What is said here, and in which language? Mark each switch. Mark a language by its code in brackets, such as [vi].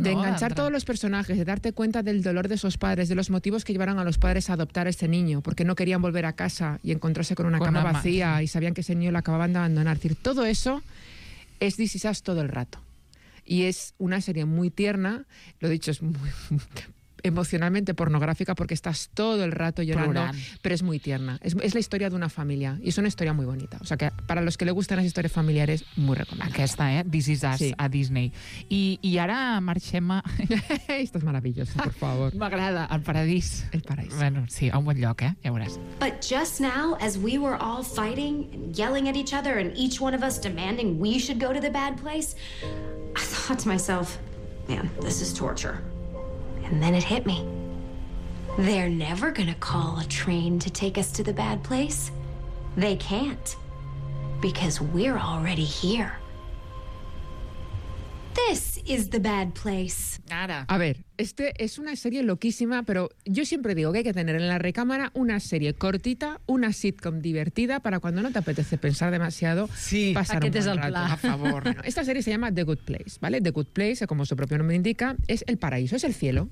[es] De enganchar todos los personajes, de darte cuenta del dolor de esos padres, de los motivos que llevaron a los padres a adoptar a ese niño, porque no querían volver a casa y encontrarse con una cama vacía y sabían que ese niño lo acababan de abandonar. Es decir, todo eso es This Is Us todo el rato. Y es una serie muy tierna, lo dicho, es muy... emocionalmente pornográfica porque estás todo el rato llorando, pero es muy tierna. [ca] Es la historia d'una família i és una història molt bonita. [es] O sea que para los que le gustan las historias familiares, muy recomendable. [ca] Aquesta, This Is Us, sí. A Disney. I ara marxem a... [es] Esto es maravilloso, por favor. [ca] M'agrada, el paradís. El paradís. Bueno, sí, a un bon lloc, eh? Ja veuràs. [en] But just now, as we were all fighting and yelling at each other and each one of us demanding we should go to the bad place, I thought to myself, man, this is torture. And then it hit me. They're never gonna call a train to take us to the bad place. They can't. Because we're already here. This is the bad place. [es] Nada. A ver, este es una serie loquísima, pero yo siempre digo que hay que tener en la recámara una serie cortita, una sitcom divertida para cuando no te apetece pensar demasiado, sí, pasar un buen rato. A favor. Esta serie se llama The Good Place, ¿vale? The Good Place, como su propio nombre indica, es el paraíso, es el cielo.